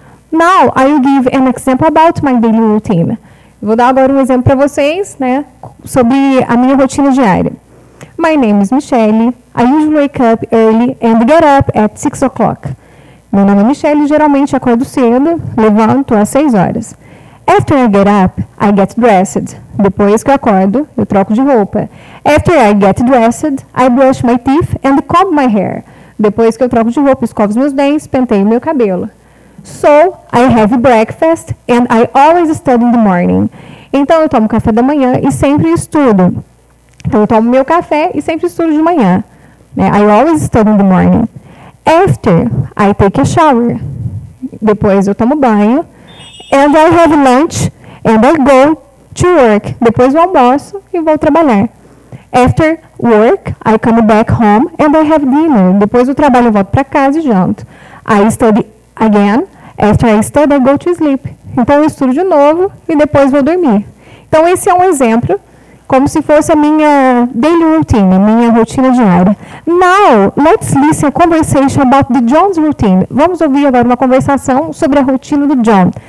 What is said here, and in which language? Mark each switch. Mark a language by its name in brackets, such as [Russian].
[English] Now, I will give an example about my daily routine. [Portuguese] Vou dar agora um exemplo para vocês, né, sobre a minha rotina diária. [English] My name is Michelle. I usually wake up early and get up at 6 o'clock. [Portuguese] Meu nome é Michelle, geralmente acordo cedo, levanto às 6 horas. [English] After I get up, I get dressed. [Portuguese] Depois que eu acordo, eu troco de roupa. [English] After I get dressed, I brush my teeth and comb my hair. [Portuguese] Depois que eu troco de roupa, escovo os meus dentes, penteio meu cabelo. [English] So, I have breakfast and I always study in the morning. [Portuguese] Então, eu tomo café da manhã e sempre estudo. Então, eu tomo meu café e sempre estudo de manhã. [English] I always study in the morning. After, I take a shower. [Portuguese] Depois, eu tomo banho. [English] And I have lunch and I go to work. [Portuguese] Depois, eu almoço e vou trabalhar. [English] After work, I come back home and I have dinner. [Portuguese] Depois do trabalho, eu volto para casa e janto. [English] I study again. After I study, I go to sleep. [Portuguese] Então, eu estudo de novo e depois vou dormir. Então, esse é um exemplo, como se fosse a minha [English] daily routine, [Portuguese] minha rotina diária. [English] Now, let's listen a conversation about the John's routine. [Portuguese] Vamos ouvir agora uma conversação sobre a rotina do John.